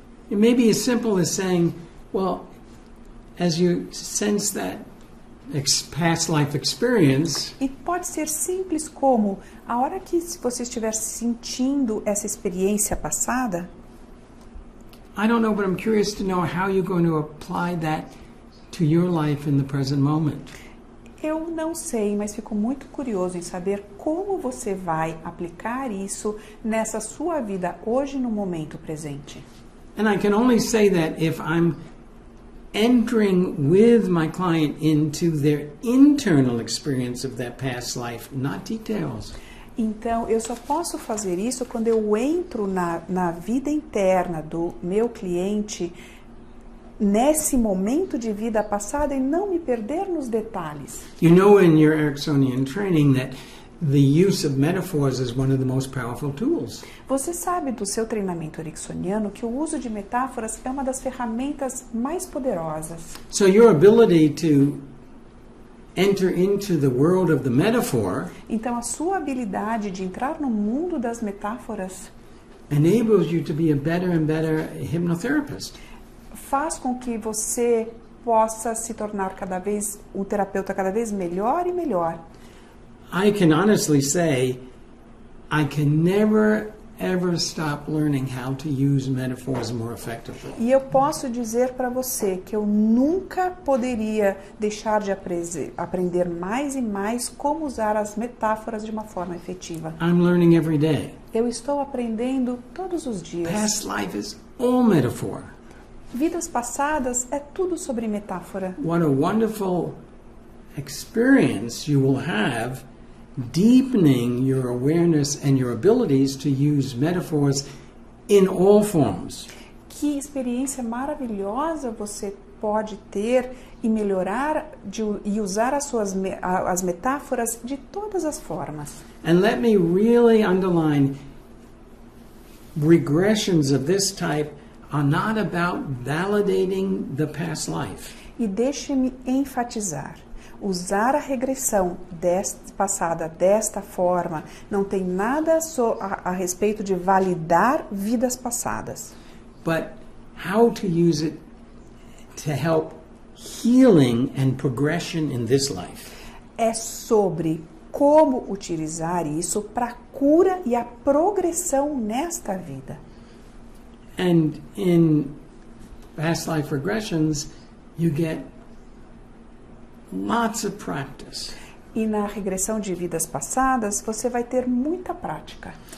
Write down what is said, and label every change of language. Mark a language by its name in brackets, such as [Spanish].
[English] It may be as simple as saying, well, as you sense that past life experience. [Portuguese] E pode ser simples como, a hora que você estiver sentindo essa experiência passada, [English] I don't know, but I'm curious to know how you're going to apply that to your life in the present moment. [Portuguese] Eu não sei, mas fico muito curioso em saber como você vai aplicar isso nessa sua vida hoje, no momento presente. [English] And I can only say that if I'm entering with my client into their internal experience of their past life, not details. [Portuguese] Então, eu só posso fazer isso quando eu entro na vida interna do meu cliente nesse momento de vida passada e não me perder nos detalhes. [English] You know in your Ericksonian training that the use of metaphors is one of the most powerful tools. [Portuguese] Você sabe do seu treinamento ericksoniano que o uso de metáforas é uma das ferramentas mais poderosas. [English] So your ability to enter into the world of the metaphor, [Portuguese] então a sua habilidade de entrar no mundo das metáforas, [English] enables you to be a better and better hypnotherapist. [Portuguese] Faz com que você possa se tornar cada vez um terapeuta cada vez melhor e melhor. [English] I can honestly say I can never ever stop learning how to use metaphors more effectively. [Portuguese] E eu posso dizer para você que eu nunca poderia deixar de aprender mais e mais como usar as metáforas de uma forma efetiva. [English] I'm learning every day. [Portuguese] Eu estou aprendendo todos os dias. [English] Past life is all metaphor. [Portuguese] Vidas passadas é tudo sobre metáfora. [English] What a wonderful experience you will have deepening your awareness and your abilities to use metaphors in all forms. [Portuguese] Que experiência maravilhosa você pode ter e melhorar e usar as metáforas de todas as formas. [English] And let me really underline, regressions of this type are not about validating the past life. [Portuguese] E deixe-me enfatizar. Usar a regressão passada desta forma não tem nada a respeito de validar vidas passadas. [English] But how to use it to help healing and progression in this life. [Portuguese] É sobre como utilizar isso para a cura e a progressão nesta vida. [English] And in past life regressions, you get lots of practice. [Portuguese] E na regressão de vidas passadas, você vai ter muita prática.